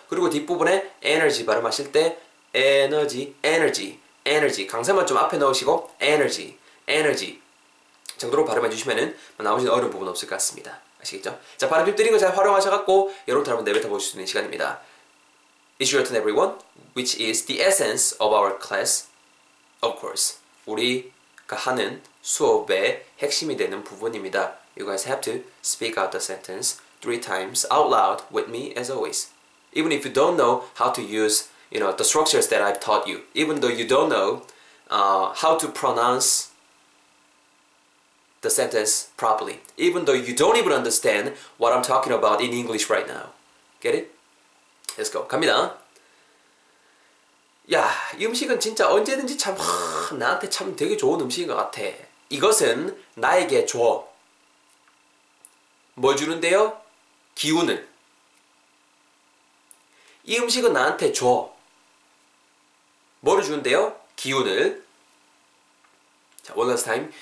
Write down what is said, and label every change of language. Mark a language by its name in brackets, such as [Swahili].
[Korean] 그리고 뒷부분에 energy 발음하실 때 energy 강사만 좀 앞에 넣으시고 energy 정도로 발음해 주시면은 나머지는 어려운 부분 없을 것 같습니다. 아시겠죠? 자, 발음 팁 드린 거 잘 활용하셔갖고 여러분들한번 내뱉어 보실 수 있는 시간입니다. [English] It's your turn, everyone, which is the essence of our class, of course. [Korean] 우리가 하는 수업의 핵심이 되는 부분입니다. [English] You guys have to speak out the sentence three times out loud with me as always. Even if you don't know how to use, you know, the structures that I've taught you, even though you don't know how to pronounce the sentence properly, even though you don't even understand what I'm talking about in English right now. Get it? Let's go. [Korean] 갑니다. 야, 이 음식은 진짜 언제든지 참 나한테 참 되게 좋은 음식인 것 같아. 이것은 나에게 줘. 뭘 주는데요? 기운을. 이 음식은 나한테 줘. 뭐를 주는데요? 기운을. 자, [English] one last time.